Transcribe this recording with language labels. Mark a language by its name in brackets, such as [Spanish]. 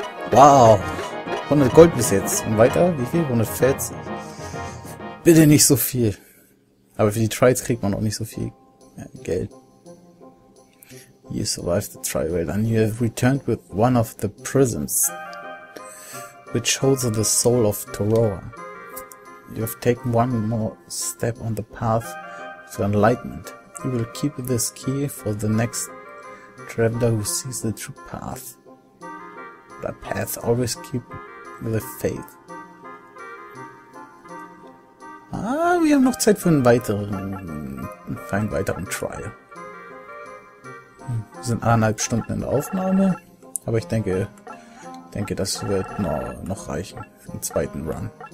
[German] Wow, 100 Gold bis jetzt. Und weiter, wie viel? 100 Fats. Bitte nicht so viel. Aber für die Trials kriegt man auch nicht so viel Geld. [English] You survived the trial, and you have returned with one of the prisms, which holds the soul of Toroa. You have taken one more step on the path to enlightenment. You will keep this key for the next traveler who sees the true path. The path always keep the faith. [German] Ah, wir haben noch Zeit für einen weiteren Trial. Wir sind 1,5 Stunden in der Aufnahme, aber ich denke, denke, das wird noch reichen für den zweiten Run.